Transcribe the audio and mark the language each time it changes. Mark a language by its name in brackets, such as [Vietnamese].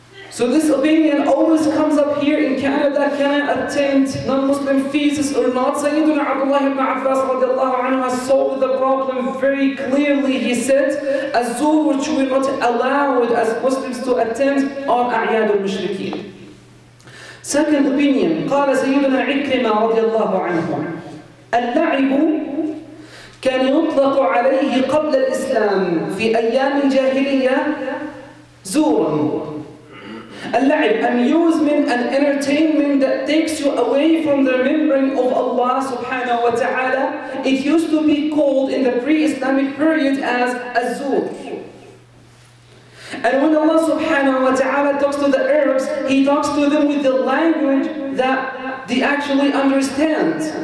[English] So this opinion always comes up here in Canada, can I attend non-Muslim feasts or not? Sayyidina Abdullah ibn Abbas radiallahu anhu saw the problem very clearly. He said, Azur, which we are not allowed as Muslims to attend, on A'yad al-Mushrikeen. Second opinion, [Arabic] قال سيدنا عكرمة رضي الله عنه اللعب كان يطلق عليه قبل الإسلام في أيام الجاهلية زورا. [English] اللعب, amusement and entertainment that takes you away from the remembering of Allah subhanahu wa ta'ala, it used to be called in the pre-Islamic period as الزور. And when Allah subhanahu wa ta'ala talks to the Arabs, He talks to them with the language that they actually understand.